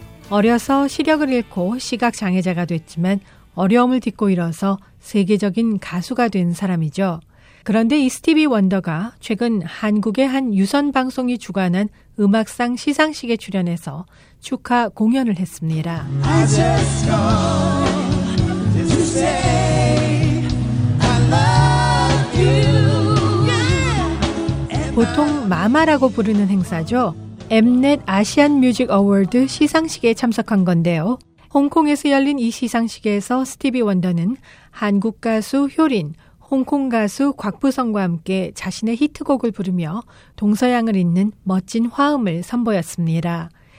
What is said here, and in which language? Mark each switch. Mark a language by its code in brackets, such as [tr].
[ko] 어려서 시력을 잃고 시각장애자가 됐지만 어려움을 딛고 일어서 세계적인 가수가 된 사람이죠. 그런데 이 스티비 원더가 최근 한국의 한 유선 방송이 주관한 음악상 시상식에 출연해서 축하 공연을 했습니다. [en] I just go to say I love you. Yeah. [ko] 보통 마마라고 부르는 행사죠. Mnet 아시안 뮤직 어워드 시상식에 참석한 건데요. 홍콩에서 열린 이 시상식에서 스티비 원더는 한국 가수 효린, 홍콩 가수 곽부성과 함께 자신의 히트곡을 부르며 동서양을 잇는 멋진 화음을 선보였습니다.